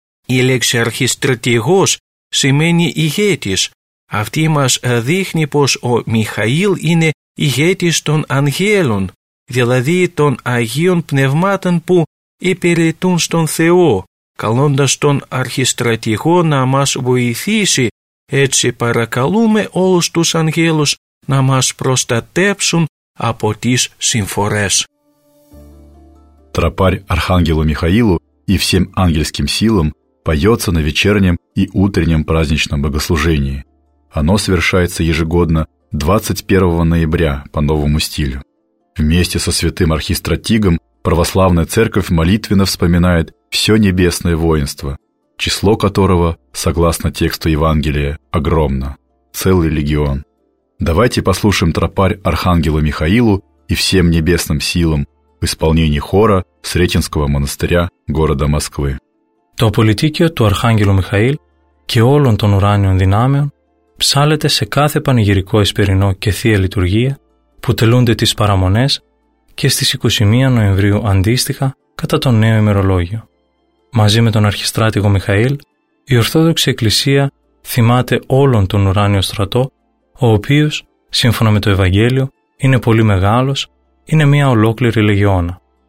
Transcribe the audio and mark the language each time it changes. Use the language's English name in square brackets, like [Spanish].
[Greek] Η λέξη αρχιστρατηγός σημαίνει ηγέτης. Αυτή μας δείχνει πως ο Μιχαήλ είναι ηγέτης των αγγέλων, δηλαδή των Αγίων Πνευμάτων που υπηρετούν στον Θεό, καλώντας τον αρχιστρατηγό να μας βοηθήσει. Έτσι παρακαλούμε όλους τους αγγέλους να μας προστατέψουν από τις συμφορές. [Russian] Тропарь Архангелу Михаилу и всем ангельским силам поется на вечернем и утреннем праздничном богослужении. Оно совершается ежегодно 21 ноября по новому стилю. Вместе со святым архистратигом православная церковь молитвенно вспоминает все небесное воинство, число которого, согласно тексту Евангелия, огромно – целый легион. Давайте послушаем тропарь Архангелу Михаилу и всем небесным силам в исполнении хора Сретенского монастыря города Москвы. [Greek] Το πολυτίκιο του Αρχάγγελου Μιχαήλ και όλων των ουράνιων δυνάμεων ψάλλεται σε κάθε πανηγυρικό εσπερινό και θεία λειτουργία που τελούνται τις παραμονές και στις 21 Νοεμβρίου αντίστοιχα κατά το νέο ημερολόγιο. Μαζί με τον αρχιστράτηγο Μιχαήλ, η Ορθόδοξη Εκκλησία θυμάται όλον τον ουράνιο στρατό, ο οποίος, σύμφωνα με το Ευαγγέλιο, είναι πολύ μεγάλος, είναι μια ολόκληρη λεγιώνα.